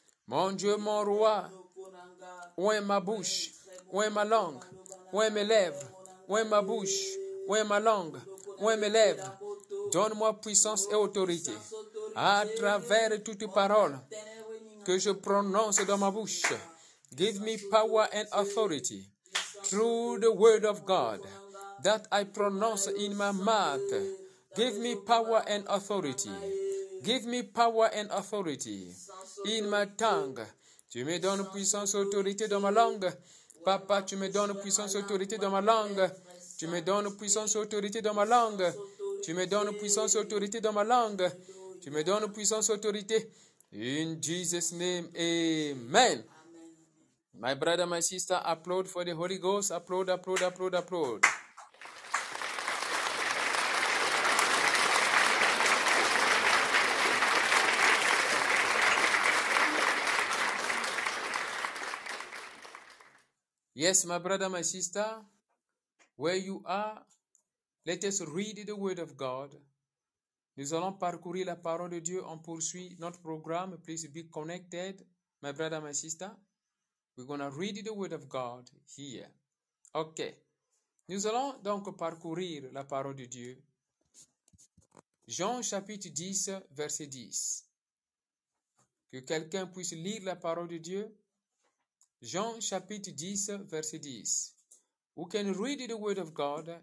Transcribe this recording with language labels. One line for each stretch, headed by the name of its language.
French: Mon Dieu, mon roi, ouin ma bouche, ouin ma langue, ouin mes lèvres, ouin ma bouche, ouin ma langue, ouin mes lèvres. Donne-moi puissance et autorité à travers toute parole que je prononce dans ma bouche.
English: Give me power and authority through the word of God that I pronounce in my mouth. Give me power and authority. Give me power and authority in my tongue.
French: Tu me donnes puissance et autorité dans ma langue. Papa, tu me donnes puissance et autorité dans ma langue. Tu me donnes puissance et autorité dans ma langue. Tu me donnes puissance et autorité dans ma langue. Tu me donnes puissance et autorité.
English: In Jesus' name, amen. My brother, my sister, applaud for the Holy Ghost. Applaud, applaud, applaud, applaud. Yes, my brother, my sister, where you are, let us read the word of God.
French: Nous allons parcourir la parole de Dieu. On poursuit notre programme.
English: Please be connected, my brother, my sister. We're going to read the word of God here. OK.
French: Nous allons donc parcourir la parole de Dieu. Jean chapitre 10, verset 10. Que quelqu'un puisse lire la parole de Dieu. Jean chapitre 10, verset 10.
English: We can read the word of God.